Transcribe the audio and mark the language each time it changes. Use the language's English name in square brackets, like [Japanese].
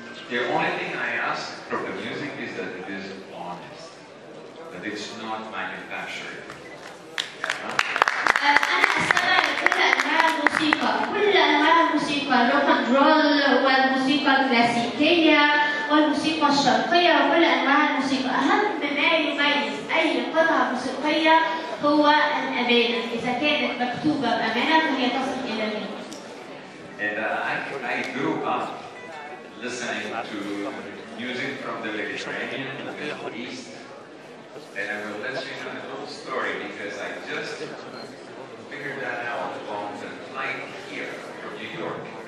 [English] The only thing I ask from the music is that it is honest. But it's not manufactured. [Arabic] أنا أستمع لكل أنواع الموسيقى، كل أنواع الموسيقى، روك أند رول والموسيقى الكلاسيكية والموسيقى الشرقية وكل أنواع الموسيقى. أهم ما يميز أي قطعة موسيقية هو الأمانة، إذا كانت مكتوبة بأمانة فهي تصل إلى مين. [English] And I grew up listening to music from the Mediterranean, the Middle East. And I will let you know a little story because I just figured that out on the flight here from New York.